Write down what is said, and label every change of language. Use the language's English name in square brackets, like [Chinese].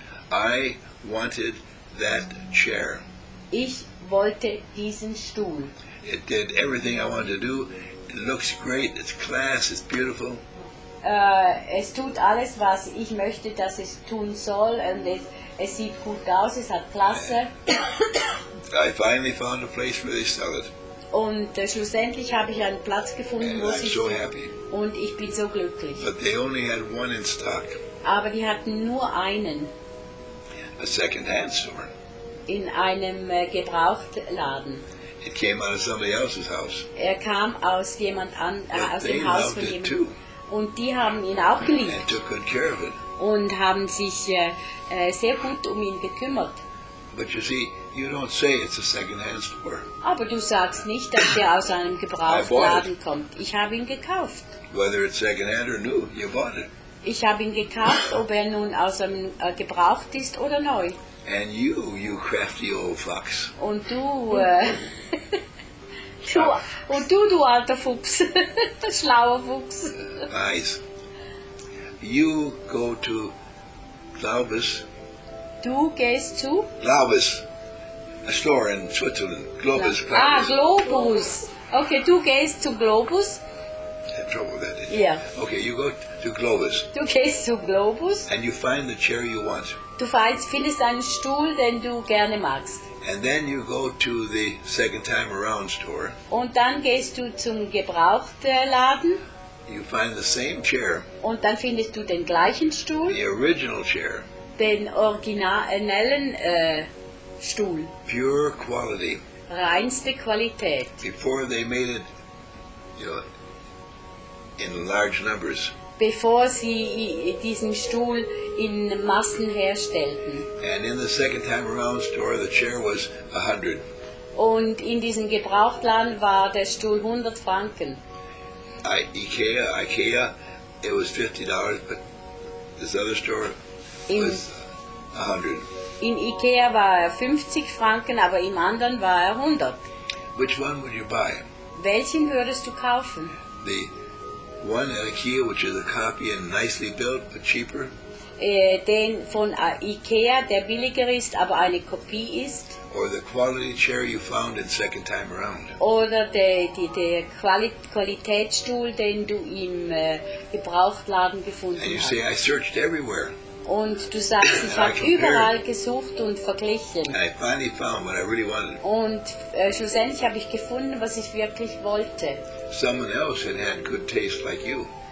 [English] I wanted that chair. [German] Ich wollte diesen Stuhl. [English] It did everything I wanted to do. It looks great. It's class. It's beautiful. [German] Es tut alles, was ich möchte, dass es tun soll. Und es sieht gut aus. Es hat Klasse. [English] I finally found a place where they sell it. [German] Und schlussendlich habe ich einen Platz gefunden, [English] and [German] wo [English] I'm [German] ich [English] so happy. [German] Und ich bin so glücklich. [English] But they only had one in stock. [German] Aber die hatten nur einen. [English] A second-hand store. [German] In einem Gebrauchtladen. [English] It came out of somebody else's house. [German] Er kam aus jemand an aus dem Haus von jemand. [English] Too. [German] Und die haben ihn auch geliebt. [English] And took good care of it. [German] Und haben sich sehr gut um ihn gekümmert. [English] But you see, you don't say it's a second-hand store. [German] Aber du sagst nicht, dass er aus einem Gebrauchtladen kommt. Ich habe ihn gekauft. [English] Whether it's second-hand or new, you bought it. [German] Ich habe ihn gekauft, ob er nun aus einem Gebraucht ist oder neu. [English] And you crafty old fox. [German] Und du, du alter Fuchs, schlauer Fuchs. [English] Nice. You go to Glaubus. [German] Du gehst zu? [English] Glaubus, a store in Switzerland. Glaubus. [German] Ah, Globus. Okay, du gehst zu Globus. [English] I had trouble with that, didn't you? Yeah. Okay, you go to Globus. [German] Du gehst zu Globus. [English] And you find the chair you want. [German] Du findest einen Stuhl, den du gerne magst. [English] And then you go to the second time around store. [German] Und dann gehst du zum Gebrauchtladen. [English] You find the same chair. [German] Und dann findest du den gleichen Stuhl. [English] The original chair. [German] Den originalen Stuhl. [English] Pure quality. [German] Reinste Qualität. [English] Before they made it, you know, in large numbers. [German] Bevor sie diesen Stuhl in Massen herstellten. [English] And in the second time around store, the chair was 100. [German] Und in diesem Gebrauchtladen war der Stuhl 100 Franken. [English] IKEA, it was $50, but this other store was 100. [German] In IKEA war 50 Franken, aber im anderen war 100. [English] Which one would you buy? [German] Welchen würdest du kaufen? [English] The one at IKEA, which is a copy and nicely built, but cheaper. [German] Den von IKEA, der billiger ist, aber eine Kopie ist. [English] Or the quality chair you found in second time around. [German] Oder der Qualitätsstuhl, den du im Gebrauchtladen gefunden hast. [English] And you say, I searched everywhere. [German] Und du sagst, ich habe überall gesucht und verglichen. [English] I finally found what I really wanted. [German] Und schlussendlich habe ich gefunden, was ich wirklich wollte. [English] Someone else had had good taste like you.